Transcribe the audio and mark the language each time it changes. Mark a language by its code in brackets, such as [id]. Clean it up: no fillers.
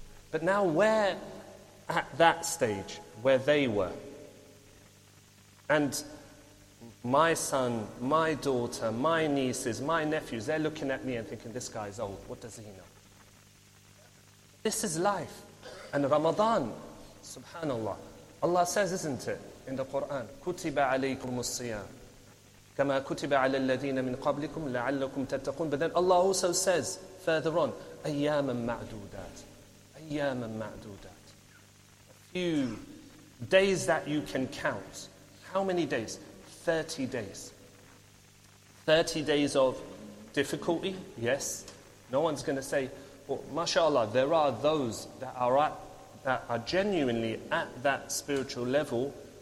[en] But now we're at that stage where they were. And my son, my daughter, my nieces, my nephews, they're looking at me and thinking, this guy's old, what does he know? This is life. And Ramadan, subhanAllah, Allah says, isn't it, in the Quran, [ar] كُتِبَ عَلَيْكُمُ الصِّيَامِ كَمَا كُتِبَ عَلَى الَّذِينَ مِنْ قَبْلِكُمْ لَعَلَّكُمْ تَتَّقُونَ. [en] But then Allah also says, further on, [ar] أَيَّامًا مَعْدُودَاتٍ. أَيَّامًا مَعْدُودَاتٍ. [en] A few days that you can count. How many days? 30 days. 30 days of difficulty, yes. No one's going to say, well, mashallah, there are those that are genuinely at that spiritual level.